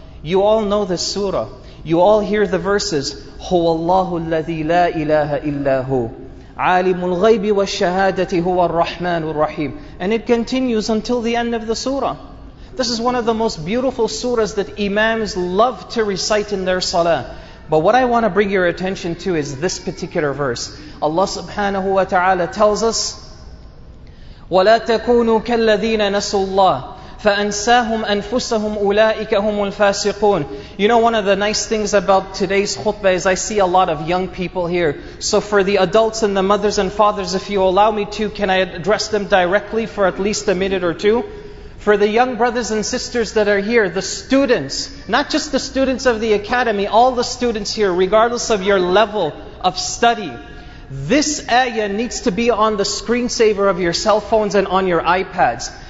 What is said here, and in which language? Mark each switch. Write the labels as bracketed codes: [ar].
[en] You all know this surah. You all hear the verses. [ar] هُوَ اللَّهُ الَّذِي لَا إِلَهَ إِلَّا هُوَ عَالِمُ الْغَيْبِ وَالشَّهَادَةِ هُوَ الرَّحْمَنُ الرَّحِيمُ. [en] And it continues until the end of the surah. This is one of the most beautiful surahs that imams love to recite in their salah. But what I want to bring your attention to is this particular verse. [ar] Allah subhanahu wa ta'ala [en] tells us, [ar] وَلَا تَكُونُوا كَالَّذِينَ نَسُوا اللَّهِ فَأَنْسَاهُمْ أَنْفُسَهُمْ أُولَٰئِكَ هُمُ الْفَاسِقُونَ. [en] You know, one of the nice things about today's khutbah is I see a lot of young people here. So for the adults and the mothers and fathers, if you allow me to, can I address them directly for at least a minute or two? For the young brothers and sisters that are here, the students, not just the students of the academy, all the students here, regardless of your level of study, this ayah needs to be on the screensaver of your cell phones and on your iPads.